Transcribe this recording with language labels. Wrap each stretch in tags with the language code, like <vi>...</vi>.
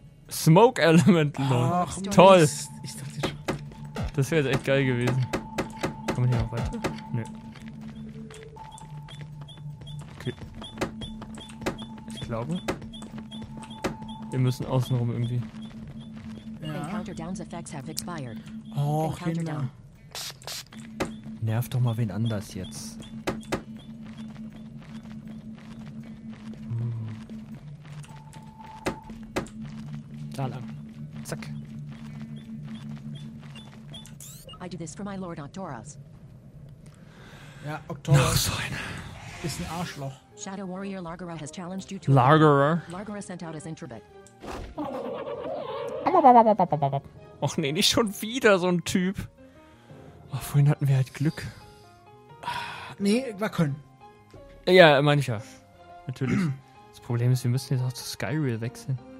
<de>Smoke Element, Leute. Ach, toll. Ich dachte schon. Das wäre jetzt echt geil gewesen. Kommen wir hier noch weiter? Nö. Okay. Ich glaube, wir müssen außenrum irgendwie. Ja.</de> <en>Encounter Downs effects have expired.</en> <de>Och, Kinder. Nerv doch mal wen anders jetzt. Da lang. Zack.</de> <en>I do this for my Lord Octoros.</en> <de>Ja, Octoros. Noch so ein. Ist ein Arschloch.</de> <en>Shadow Warrior Largara has challenged you to.</en> <de>Largara?</de> <en>Largara sent out his Intrepid.</en> <de>Och nee, nicht schon wieder so ein Typ. Oh, vorhin hatten wir halt Glück. Nee, war können. Ja, meine ich ja. Natürlich. Das Problem ist, wir müssen jetzt auch zu Skyrail wechseln.</de>